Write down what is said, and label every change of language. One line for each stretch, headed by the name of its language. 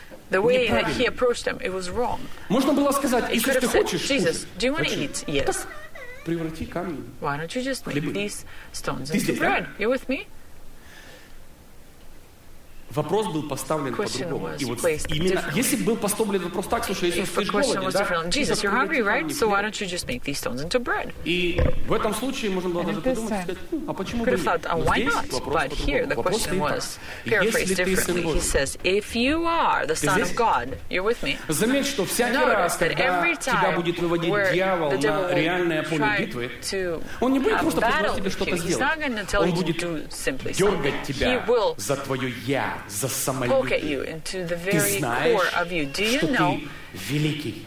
English: The way that he approached them, it was wrong. He could have said, Jesus, do you want to eat? Yes.
Russian: Преврати камни.
English: Why don't you just make these stones into bread? You with me?
Russian: Вопрос был поставлен по-другому. И вот именно, если был поставлен вопрос так, слушай, если ты голоден, да?
English: Jesus, you're hungry, right? So why don't you just make these stones into bread?
Russian: И в этом случае можно было даже подумать, сказать, а почему бы нет?
English: Why not? But here the question was paraphrased differently. He says, if you are the son of God, you're with me.
Russian: Заметь, что всякий раз, когда тебя будет выводить дьявол на реальное поле битвы, он не будет просто предложить тебе что-то сделать. Он будет дергать тебя за твое я. за самолюбие. Ты знаешь, что ты великий.